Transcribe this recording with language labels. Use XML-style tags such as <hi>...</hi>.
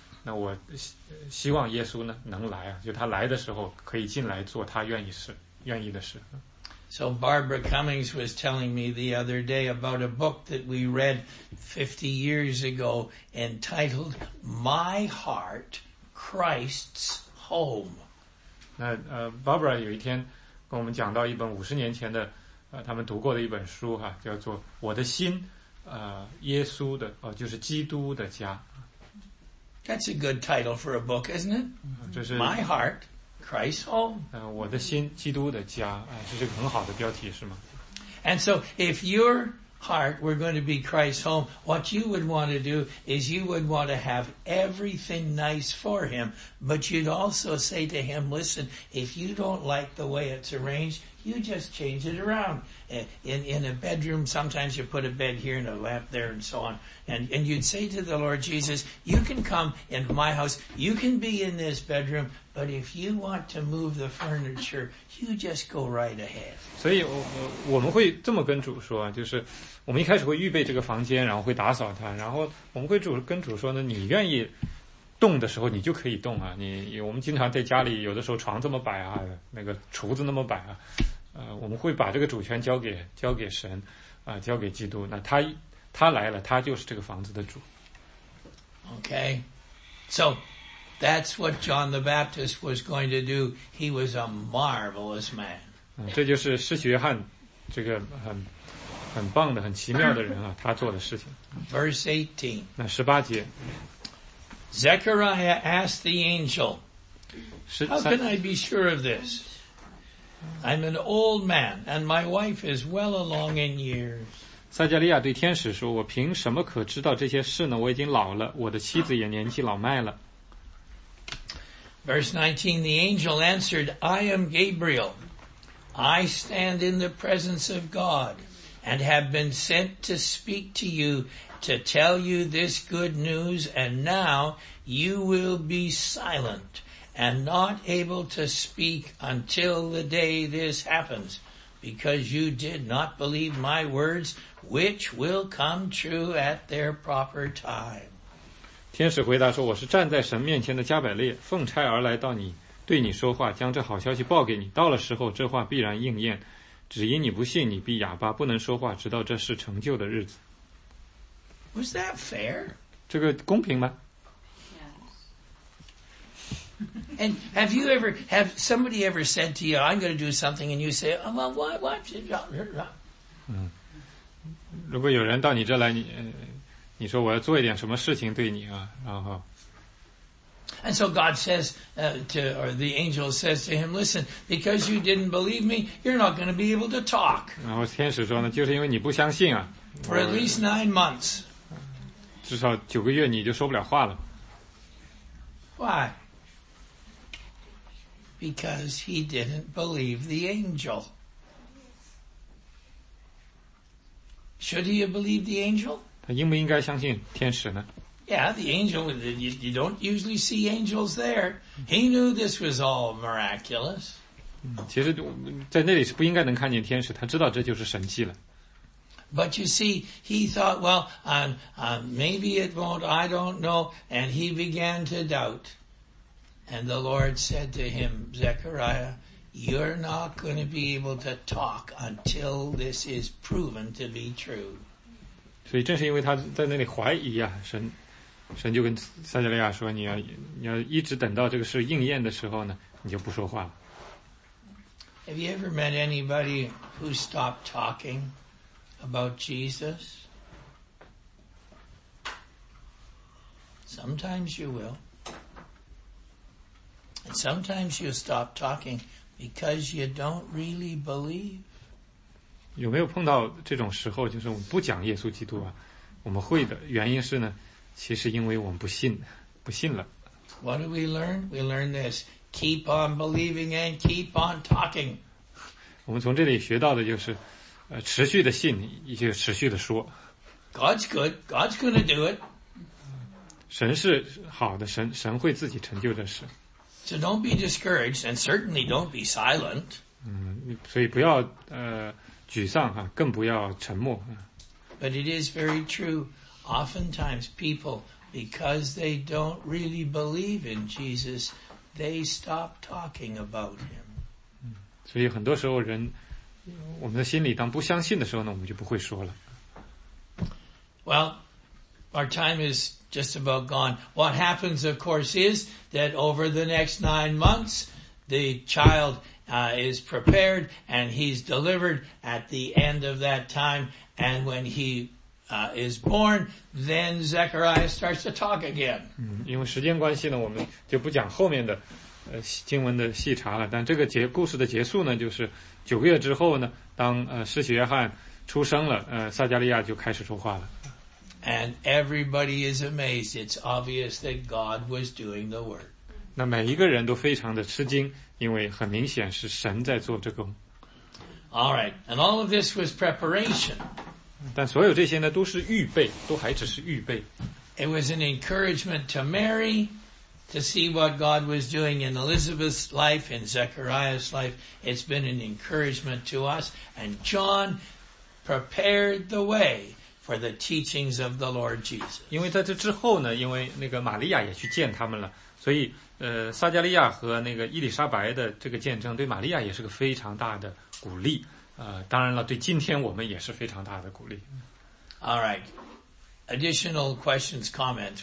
<zh>那我希望耶稣呢能来啊，就他来的时候可以进来做他愿意的事。</zh> <en>So Barbara Cummings was telling me the other day about a book that we read 50 years ago entitled My Heart, Christ's Home.</en> <zh>那Barbara 有一天跟我们讲到一本50年前的他们读过的一本书哈，叫做我的心耶稣的就是基督的家。</zh> <en>That's a good title for a book, isn't it?</en> <zh>这是</zh> <en>My Heart, Christ's Home.</en> <zh>我的心，基督的家，这是个很好的标题，是吗？</zh> <en>And so, if your heart were going to be Christ's home, what you would want to do is you would want to have everything nice for Him, but you'd also say to Him, listen, if you don't like the way it's arranged, you just change it around. In a bedroom, sometimes you put a bed here and a lamp there and so on. And you'd say to the Lord Jesus, you can come into my house, you can be in this bedroom, but if you want to move the furniture, you just go right ahead.</en> <zh>所以我们会这么跟主说，就是我们一开始会预备这个房间，然后会打扫它，然后我们会跟主说呢，你愿意动的时候你就可以动啊，我们经常在家里有的时候床这么摆啊，那个厨子那么摆啊，我们会把这个主权交给神啊，交给基督，那他来了，他就是这个房子的主。</zh> <en>Okay, so that's what John the Baptist was going to do. He was a marvelous man.</en> <zh>这就是施洗约翰这个很棒的很奇妙的人啊，他做的事情。</zh> <en>Verse 18.</en> <zh>那十八节</zh> <en>Zechariah asked the angel, How can I be sure of this? I'm an old man, and my wife is well along in years.</en> <zh>撒加利亚对天使说，我凭什么可知道这些事呢？我已经老了，我的妻子也年纪老迈了。</zh> <en>Verse 19, the angel answered, I am Gabriel. I stand in the presence of God, and have been sent to speak to you,to tell you this good news, and now you will be silent and not able to speak until the day this happens, because you did not believe my words, which will come true at their proper time.</en> <zh>天使回答说，我是站在神面前的加百列，奉差而来到你，对你说话，将这好消息报给你。到了时候，这话必然应验，只因你不信，你必哑巴，不能说话，直到这事成就的日子。</zh> <en>Was that fair?</en> <zh>这个公平吗？</zh> <en>Yes. And have somebody ever said to you, I'm going to do something, and you say, oh, well, why?</en> <zh>如果有人到你这来，你说我要做一点什么事情对你啊，然后。</zh> <en>And so God says, or the angel says to him, listen, because you didn't believe me, you're not going to be able to talk.</en> <zh>然后天使说呢，就是因为你不相信啊。</zh> <en>For at least 9 months.</en> <zh>至少九个月你就说不了话了。</zh> <en>Why? Because he didn't believe the angel. Should he have believed the angel?</en> <zh>他应不应该相信天使呢？</zh> <en>Yeah, the angel, you don't usually see angels there. He knew this was all miraculous.</en> <zh>其实在那里是不应该能看见天使，他知道这就是神迹了。</zh> <en>But you see, he thought, well, maybe it won't, I don't know, and he began to doubt. And the Lord said to him, Zechariah, you're not going to be able to talk until this is proven to be true.</en> <zh>所以正是因为他在那里怀疑啊，神就跟撒加利亚说，你要一直等到这个事应验的时候呢，你就不说话了。</zh> <en>Have you ever met anybody who stopped talking about Jesus? Sometimes you will. And sometimes you'll stop talking because you don't really believe.</en> <zh>有没有碰到这种时候，就是我们不讲耶稣基督啊？我们会的原因是呢，其实因为我们不信了。</zh> <en>What do we learn? We learn this. Keep on believing and keep on talking.</en> <zh>我们从这里学到的就是持续的信，以及持续的说。</zh> <en>God's good. God's gonna do it.</en> <zh>神是好的，神会自己成就这事。</zh> <en>So don't be discouraged and certainly don't be silent.</en> <zh>所以不要沮丧啊，更不要沉默。</zh> <en>But it is very true. Oftentimes people, because they don't really believe in Jesus, they stop talking about him.</en> <zh>所以很多时候人，我们的心里当不相信的时候呢，我们就不会说了。</zh> <en>Well, our time is just about gone. What happens, of course, is that over the next 9 months, the child, is prepared and he's delivered at the end of that time. And when he, is born, then Zechariah starts to talk again.</en> <zh>因为时间关系呢，我们就不讲后面的，经文的细查了。但这个故事的结束呢，就是九个月之后呢，当施洗约翰出生了，撒加利亚就开始说话了。</zh> <en>And everybody is amazed. It's obvious that God was doing the work.</en> <zh>那每一个人都非常的吃惊，因为很明显是神在做这工。</zh> <en>All right, and all of this was preparation.</en> <zh>但所有这些呢，都是预备，都还只是预备。</zh> <en>It was an encouragement to Mary to see what God was doing in Elizabeth's life, in Zechariah's life. It's been an encouragement to us. And John prepared the way for the teachings of the Lord Jesus.</en> <zh>因为在这之后呢，因为那个玛利亚也去见他们了，所以撒加利亚和那个伊丽莎白的这个见证对玛利亚也是个非常大的鼓励，当然了，对今天我们也是非常大的鼓励。</zh> <en>All right. Additional questions, comments.</en>